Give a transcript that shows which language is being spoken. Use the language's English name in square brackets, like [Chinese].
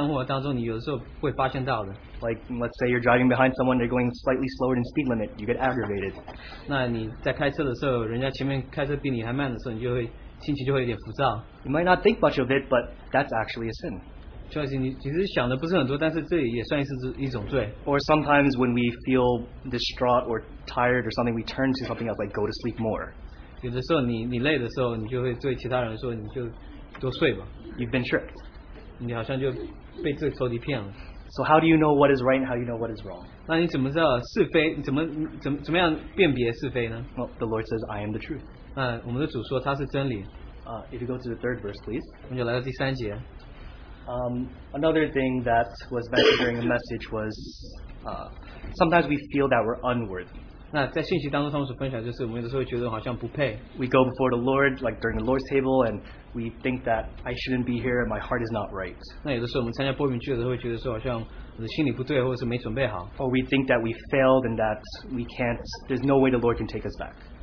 [Chinese] 那他会用一些诡计，那你在你的日常生活当中，你有的时候会发现到的。 [English] Like, let's say you're driving behind someone, they're going slightly slower than speed limit, you get aggravated. [Chinese] 那你在开车的时候，人家前面开车比你还慢的时候，你就会心情就会有点浮躁。 [English] You might not think much of it, but that's actually a sin. [Chinese] 就是你其实想的不是很多，但是这也算是一种罪。 [English] Or sometimes when we feel distraught or tired or something, we turn to something else, like go to sleep more. [Chinese] 有的时候你累的时候，你就会对其他人说，你就 [English] You've been tricked. [Chinese] 你好像就被这个仇敌骗了。So [English] how do you know what is right and how do you know what is wrong? [Chinese] 那你怎么知道是非？怎么样辨别是非呢？ [English] Well, the Lord says, I am the truth. [Chinese] 那我们的主说他是真理。If [English] you go to the third verse, please. [Chinese] 我们就来到第三节。 [English] Another thing that was mentioned during the message was, sometimes we feel that we're unworthy. [Chinese] 那在信息当中，他们所分享就是我们有的时候觉得好像不配。 [English] We go before the Lord, like during the Lord's table, and we think that I shouldn't be here, my heart is not right. [Chinese] 那有的时候我们参加播民聚的时候，会觉得说好像我的心里不对，或者是没准备好。 [English] Or we think that we failed and that we can't, there's no way the Lord can take us back.